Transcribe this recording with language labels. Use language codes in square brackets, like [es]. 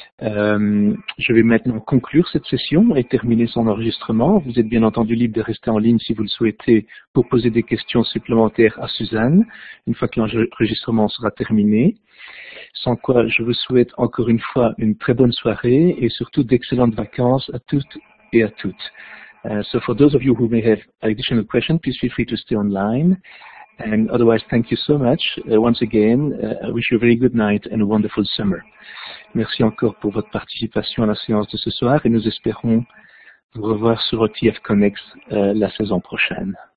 [fr] Je vais maintenant conclure cette session et terminer son enregistrement. Vous êtes bien entendu libre de rester en ligne si vous le souhaitez pour poser des questions supplémentaires à Suzanne une fois que l'enregistrement sera terminé. Sans quoi, je vous souhaite encore une fois une très bonne soirée et surtout d'excellentes vacances à toutes et à tous. [en] So for those of you who may have additional questions, please feel free to stay online. And otherwise, thank you so much. Once again, I wish you a very good night and a wonderful summer. [fr] Merci encore pour votre participation à la séance de ce soir et nous espérons vous revoir sur OTF Connect la saison prochaine.